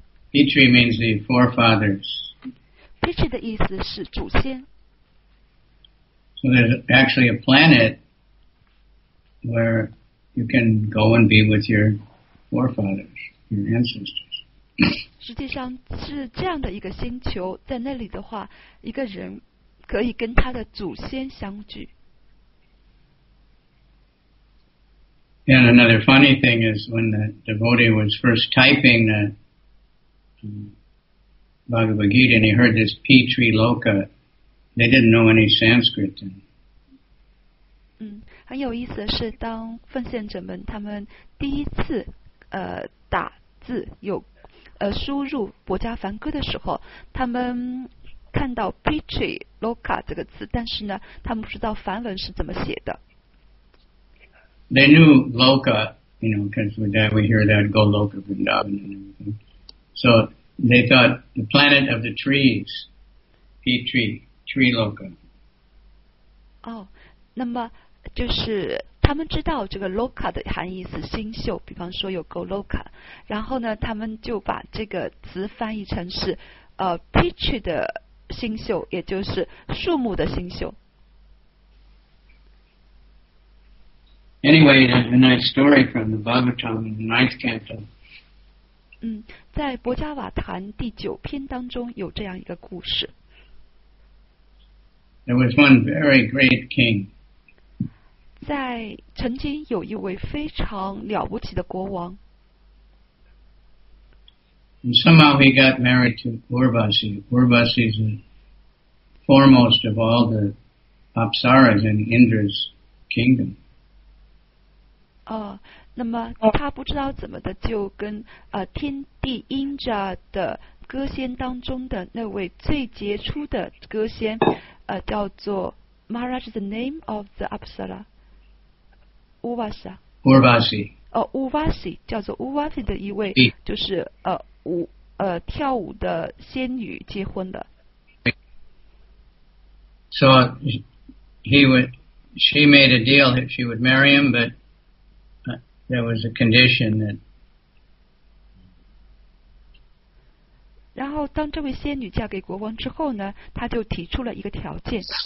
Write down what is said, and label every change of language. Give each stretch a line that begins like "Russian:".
English: Petri means the forefathers.
Chinese: Petri 的意思是祖先。
English: So there's actually a planet where you can go and be with your forefathers, your ancestors.
Chinese: 实际上是这样的一个星球，在那里的话，一个人可以跟他的祖先相聚。
English: And another funny thing is when the devotee was first typing the Bhagavad Gita and he heard this Petri Loka, they didn't know any Sanskrit then.
Chinese: 很有意思的是当奉献者们他们第一次打字有输入薄伽梵歌的时候他们看到 Petri Loka 这个字但是呢他们不知道梵文是怎么写的。
English: They knew Loka, you know, because we hear that Goloka Vrindavan and everything. So they thought the planet of the trees, Petri, Tree Loka.
Chinese: Oh, 那么就是他们知道这个 Loka 的含义是星宿，比方说有 Goloka， 然后呢，他们就把这个词翻译成是Petri 的星宿，也就是树木的星宿。
English: Anyway, there's a nice story from the Bhagavatam in the ninth canto.
Chinese: 在薄伽瓦坛第九篇当中有这样一个故事。
English: There was one very great king.
Chinese: 在曾经有一位非常了不起的国王。
English: And somehow he got married to Urvasi. Urvasi is the foremost of all the apsaras in Indra's kingdom.
Chinese: 那么他不知道怎么的就跟天帝 Indra 的歌仙当中的那位最杰出的歌仙叫做
English: Maharaj the name of the Apsara Urvasi
Chinese: Urvasi Urvasi 叫做 Urvasi 的一位就是跳舞的仙女结婚的
English: So she made a deal that she would marry him butThere was a condition that.
Chinese: 然后，当这位仙女嫁给国王之后呢，她就提出了一个条件。